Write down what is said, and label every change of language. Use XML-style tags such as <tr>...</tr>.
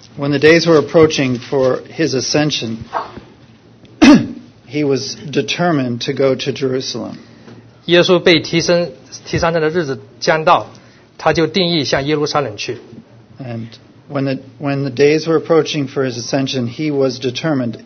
<en>when the days were approaching for his ascension, he was determined to go to Jerusalem.</en> <zh>耶稣被提升上任的日子将到，他就定意向耶路撒冷去。</zh> <en>And when the days were approaching for his ascension, he was determined.</en>